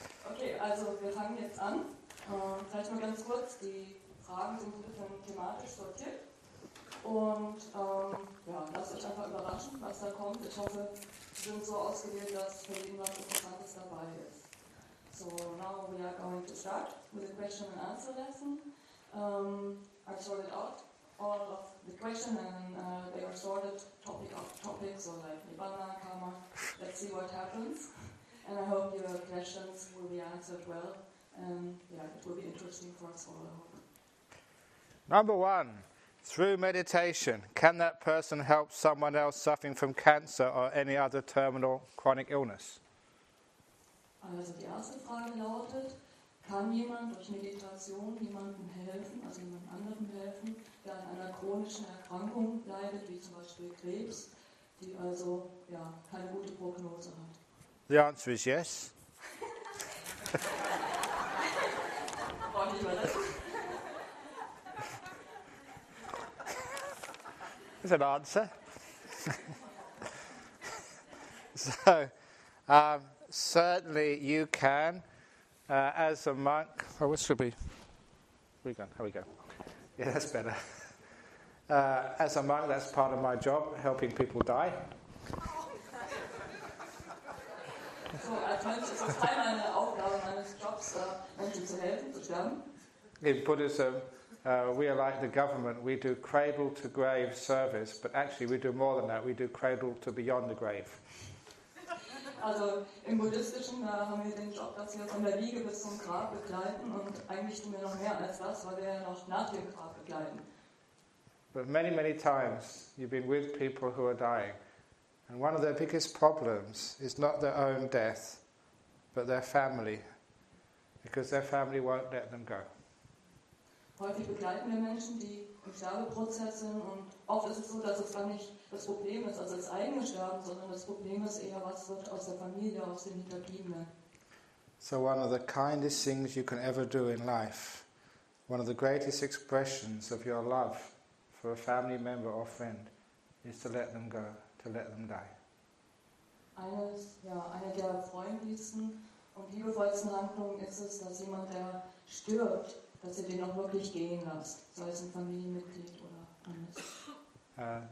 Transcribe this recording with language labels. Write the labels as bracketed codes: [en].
[de] Okay, also wir fangen jetzt an. Vielleicht mal ganz kurz, die Fragen sind ein bisschen thematisch sortiert. Und ja, lasst euch einfach überraschen, was da kommt. Ich hoffe, sie sind so ausgewählt, dass für jeden was Interessantes dabei ist. [en] So, now we are going to start with the question and answer lesson. I sorted out all of the questions and they are sorted topic after topic, so like Nibbana, Karma. Let's see what happens. And I hope your questions will be answered well. And yeah, it will be interesting for us all, I hope. Number one. Through meditation, can that person help someone else suffering from cancer or any other terminal chronic illness? [de] Also die erste Frage lautet, kann jemand durch Meditation jemandem helfen, also jemand anderem helfen, der an einer chronischen Erkrankung leidet, wie zum Beispiel Krebs, die also ja, keine gute Prognose hat? [en] The answer is yes. Is an answer. So, certainly you can, as a monk. Oh, what should be? Where we going? Here we go. Yeah, that's better. As a monk, that's part of my job, helping people die. [de] So, als Mönch ist das Teil meiner Aufgabe, meines Jobs, Menschen zu helfen, zu sterben. [en] In Buddhism, we are like the government, we do cradle-to-grave service, but actually we do more than that, we do cradle-to-beyond-the-grave. [de] Also im Buddhistischen haben wir den Job, dass wir von der Wiege bis zum Grab begleiten, und eigentlich tun wir noch mehr als das, weil wir ja noch nach dem Grab begleiten. [en] But many, many times you've been with people who are dying, and one of their biggest problems is not their own death, but their family, because their family won't let them go. [de] Häufig begleiten wir Menschen, die im Sterbeprozess sind, und oft ist es so, dass es gar nicht das Problem ist, also das eigene Sterben, sondern das Problem ist eher, was wird aus der Familie, aus den Hinterbliebenen. [en] So one of the kindest things you can ever do in life, one of the greatest expressions of your love for a family member or friend, is to let them go, to let them die. [de] Eine der freundlichsten und liebevollsten Handlungen ist es, dass jemand, der stirbt, dass ihr den auch wirklich gehen lasst, sei es ein Familienmitglied oder anders.